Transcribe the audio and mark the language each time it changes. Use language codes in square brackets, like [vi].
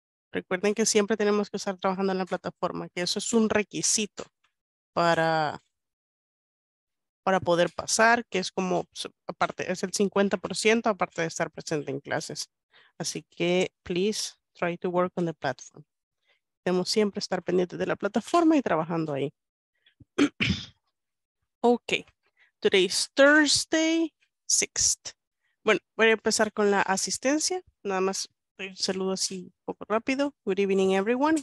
[es] Recuerden que siempre tenemos que estar trabajando en la plataforma, que eso es un requisito para poder pasar, que es como, aparte, es el 50% aparte de estar presente en clases. Así que, [en] please, try to work on the platform. [es] Debemos siempre estar pendientes de la plataforma y trabajando ahí. [en] Ok. Today is Thursday, 6th. [es] Bueno, voy a empezar con la asistencia. Nada más un saludo así un poco rápido. [en] Good evening, everyone.